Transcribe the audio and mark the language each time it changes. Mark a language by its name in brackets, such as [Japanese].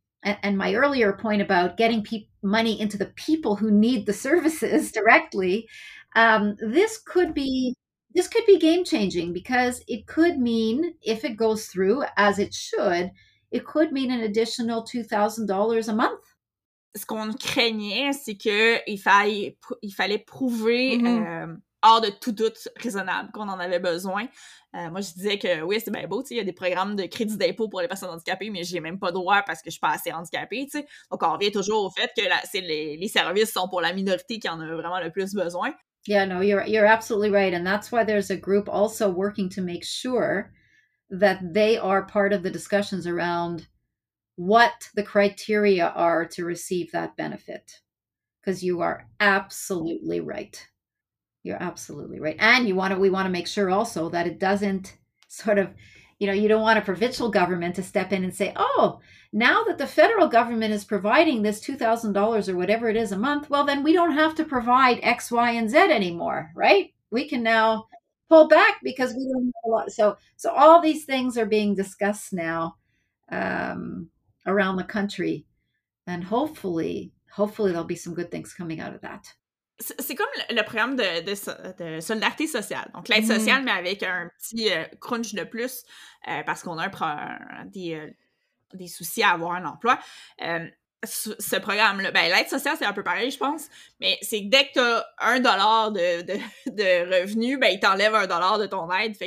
[English] And my earlier point about getting money into the people who need the services directly, this could be game changing, because it could mean, if it goes through as it should, it could mean an additional $2,000 a month. [French] Ce qu'on craignait, c'est qu'il fallait prouver hors de tout doute raisonnable qu'on en avait besoin. Moi, je disais que oui, c'est bien beau, tu sais, il y a des programmes de crédit d'impôt pour les personnes handicapées, mais j'ai même pas droit parce que je suis pas assez handicapée, tu sais. Donc, on revient toujours au fait que les services sont pour la minorité qui en a vraiment le plus besoin. [English] Yeah, no, you're absolutely right. And that's why there's a group also working to make sure that they are part of the discussions around what the criteria are to receive that benefit. Because you are absolutely right. You're absolutely right. And we want to make sure also that it doesn't sort of, you know, you don't want a provincial government to step in and say, oh, now that the federal government is providing this $2,000 or whatever it is a month, well, then we don't have to provide X, Y, and Z anymore, right? We can now pull back because we don't have a lot. So all these things are being discussed now around the country. And hopefully there'll be some good things coming out of that. [French] C'est comme le programme de solidarité sociale. Donc, l'aide sociale, mais avec un petit crunch de plus parce qu'on a des soucis à avoir un emploi. Ce programme-là, ben, l'aide sociale, c'est un peu pareil, je pense, mais c'est que dès que tu as $1 de revenu, ben, il t'enlève $1 de ton aide.